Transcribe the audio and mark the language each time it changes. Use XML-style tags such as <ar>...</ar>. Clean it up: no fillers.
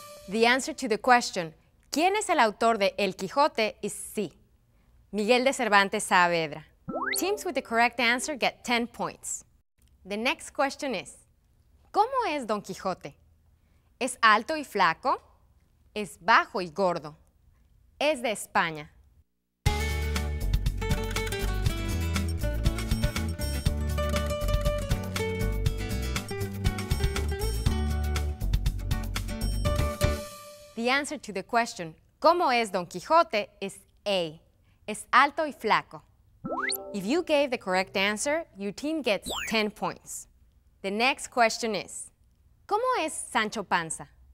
<en>The answer to the question,</en> <es>¿quién es el autor de El Quijote?</es> <en>Is C. Miguel de Cervantes Saavedra. Teams with the correct answer get 10 points. The next question is,</en> <es>¿cómo es Don Quijote? ¿Es alto y flaco? ¿Es bajo y gordo? ¿Es de España?</es> <en>The answer to the question,</en> <es>¿cómo es Don Quijote?</es> <en>Is A.</en> <es>Es alto y flaco.</es> <en>If you gave the correct answer, your team gets 10 points. The next question is,</en> <es>¿cómo es Sancho Panza?</es>